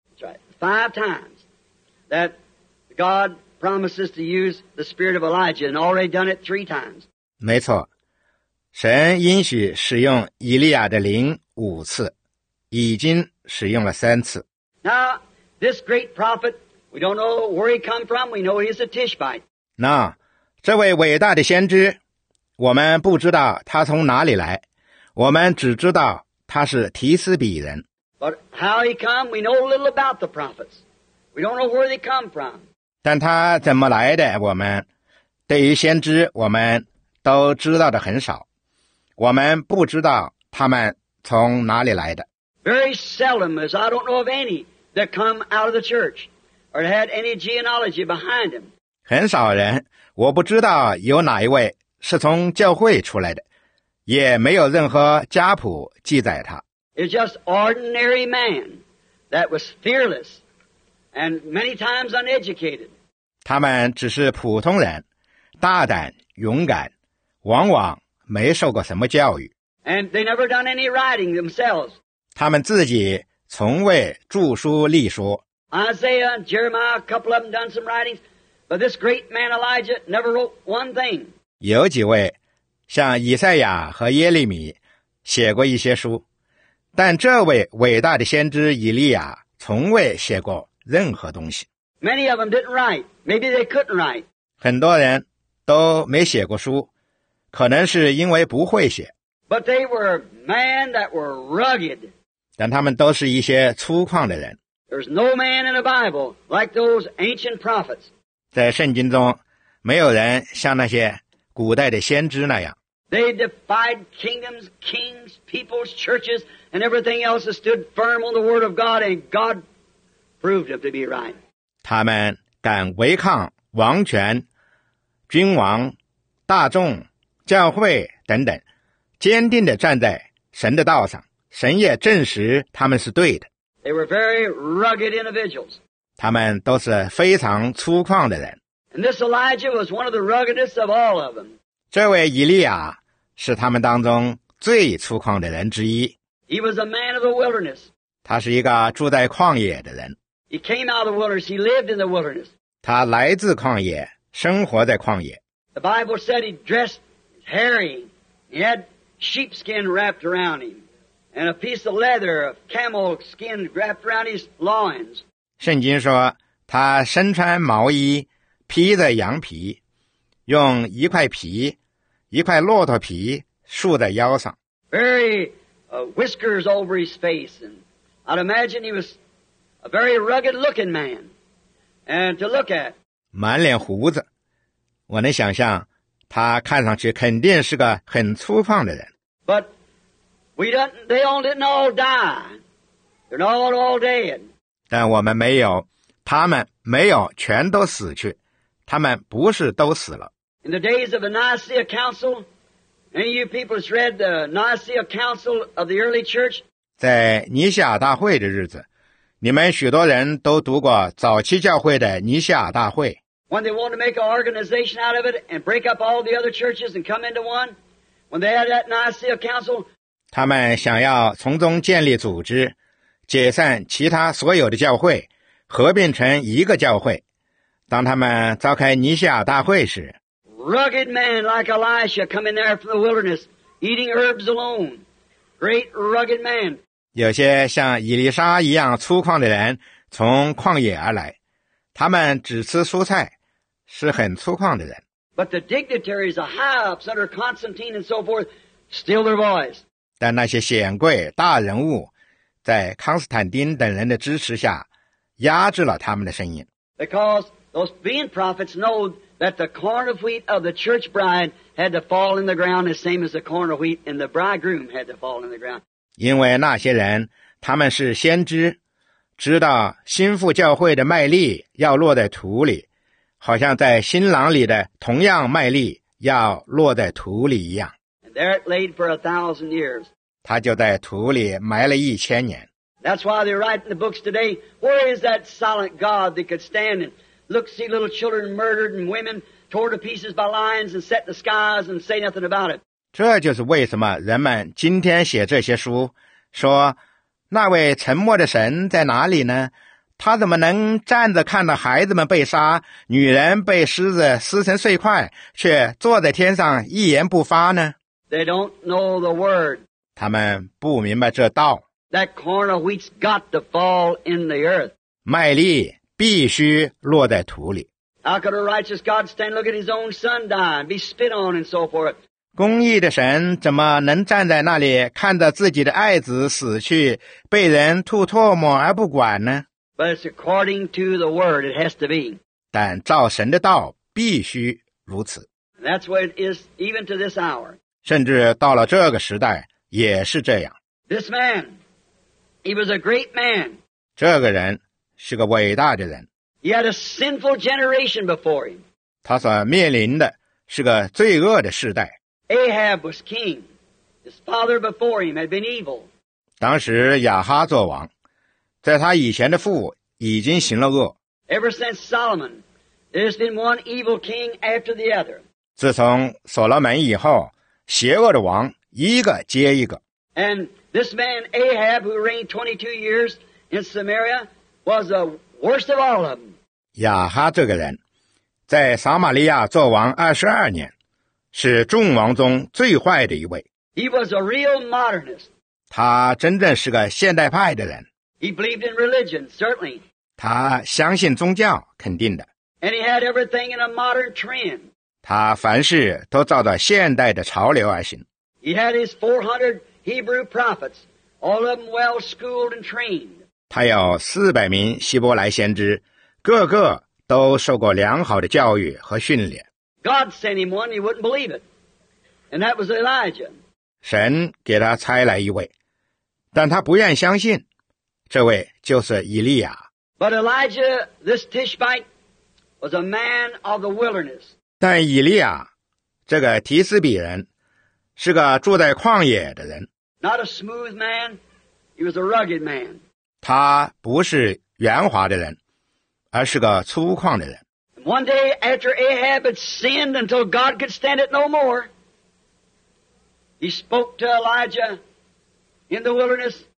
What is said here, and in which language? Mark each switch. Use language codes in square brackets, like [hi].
[en] Right. Five times that God promises to use the spirit of Elijah and already done it three times. [zh] 没错，神应许使用以利亚的灵五次，已经使用了三次。 [en] Now, this great prophet, we don't know where he come from, we know he's a Tishbite. [zh] 那这位伟大的先知，我们不知道他从哪里来，我们只知道他是提斯比人。 [en] But how he come, we know a little about the prophets. We don't know where they come from. [zh] 但他怎么来的，我们对于先知我们都知道的很少，我们不知道他们从哪里来的。 [en] Very seldom, as I don't know of any that come out of the church or had any genealogy behind them. [zh] 很少人，我不知道有哪一位是从教会出来的，也没有任何家谱记载他。 [en] It's just ordinary man that was fearless and many times uneducated. [zh] 他们只是普通人，大胆勇敢，往往没受过什么教育。 [en] And they never done any writing themselves. [zh] 他们自己从未著书立说。 [en] Isaiah and Jeremiah, a couple of them done some writings, but this great man Elijah never wrote one thing. [zh] 有几位像以赛亚和耶利米写过一些书，但这位伟大的先知以利亚从未写过任何东西。 [en] Many of them didn't write. Maybe they couldn't write. [zh] 很多人都没写过书，可能是因为不会写。 [en] But they were men that were rugged. [zh] 但他们都是一些粗犷的人。 [en] There's no man in the Bible like those ancient prophets. [zh] 在圣经中，没有人像那些古代的先知那样。 [en] They defied kingdoms, kings, peoples, churches, and everything else that stood firm on the word of God, and God proved them to be right. [zh] 他们敢违抗王权、君王、大众、教会等等，坚定地站在神的道上，神也证实他们是对的。 [en] They were very rugged individuals. [zh] 他们都是非常粗犷的人。 [en] And this Elijah was one of the ruggedest of all of them. [zh] 这位以利亚是他们当中最粗犷的人之一。 [en] He was a man of the wilderness. [zh] 他是一个住在旷野的人。 [en] He came out of the wilderness. He lived in the wilderness. [zh] 他来自旷野，生活在旷野。 [en] The Bible said he dressed hairy. He had sheepskin wrapped around him. And a piece of leather of camel skin wrapped around his loins. [zh] 圣经说他身穿毛衣，披着羊皮，用一块皮，一块骆驼皮束在腰上。 [en] Very whiskers over his face, and I'd imagine he was a very rugged-looking man, and to look at. [zh] 满脸胡子，我能想象他看上去肯定是个很粗犷的人。 [en] But we don't. They all didn't all die. They're not all dead. [zh] 但我们没有，他们没有全都死去。他们不是都死了。 [en] In the days of the Nicaea Council, any of you people has read the Nicaea Council of the early church? [zh] 在尼西亚大会的日子，你们许多人都读过早期教会的尼西亚大会。 [en] When they wanted to make an organization out of it and break up all the other churches and come into one, when they had that Nicaea Council, [zh] 他们想要从中建立组织，解散其他所有的教会，合并成一个教会。当他们召开尼西亚大会时 [en] ，rugged man like Elisha coming there from the wilderness, eating herbs alone, great rugged man. [zh] 有些像以利沙一样粗犷的人从旷野而来，他们只吃蔬菜，是很粗犷的人。 [en] But the dignitaries, the high ups under Constantine and so forth, steal their voice. [zh] 但那些显贵大人物，在康斯坦丁等人的支持下，压制了他们的声音。 [en] Because those being prophets know that the corn of wheat of the church bride had to fall in the ground the same as the corn of wheat in the bridegroom had to fall in the ground. [zh] 因为那些人，他们是先知，知道新妇教会的麦粒要落在土里，好像在新郎里的同样麦粒要落在土里一样。 [en] And there it laid for 1,000 years. [zh] 他就在土里埋了1,000年。 [en] That's why they write in the books today, where is that silent God that could stand and look, see little children murdered and women torn to pieces by lions and set the skies and say nothing about it. [zh] 这就是为什么人们今天写这些书，说那位沉默的神在哪里呢？他怎么能站着看着孩子们被杀，女人被狮子撕成碎块，却坐在天上一言不发呢？ [en] They don't know the word. [zh] 他们不明白这道。 [en] That corn of wheat's got to fall in the earth. [zh] 麦粒必须落在土里。 [en] How could a righteous God stand look at his own son die and be spit on and so forth? [zh] 公义的神怎么能站在那里看着自己的爱子死去，被人吐唾沫而不管呢？ [en] But it's according to the word, it has to be. [zh] 但照神的道必须如此。 [en] That's what it is even to this hour. [zh] 甚至到了这个时代也是这样。 [en] This man, he was a great man. [zh] 这个人是个伟大的人。 [en] He had a sinful generation before him. [zh] 他所面临的是个罪恶的时代。 [en] Ahab was king. His father before him had been evil. [zh] 当时亚哈作王。在他以前的父已经行了恶。 [en] Ever since Solomon, there's been one evil king after the other. [zh] 自从所罗门以后，邪恶的王一个接一个。 [en] And this man Ahab, who reigned 22 years in Samaria, was the worst of all of them. [zh] 亚哈这个人，在撒玛利亚作王22年，是众王中最坏的一位。 [en] He was a real modernist. [zh] 他真正是个现代派的人。 [en] He believed in religion, certainly. [zh] 他相信宗教，肯定的。 [en] And he had everything in a modern trend. [zh] 他凡事都照着现代的潮流而行。 [en] He had his 400 Hebrew prophets, all of them well-schooled and trained. [zh] 他有400名希伯来先知，个个都受过良好的教育和训练。 [en] God sent him one, he wouldn't believe it. And that was Elijah. [zh] 神给他差来一位，但他不愿相信。这位就是以利亚。 [en] But Elijah, this Tishbite, was a man of the wilderness. [zh] 但以利亚，这个提斯比人，是个住在旷野的人。 [en] Not a smooth man, he was a rugged man. [zh] 他不是圆滑的人，而是个粗犷的人。 [en] One day after Ahab had sinned until God could stand it no more, he spoke to Elijah in the wilderness.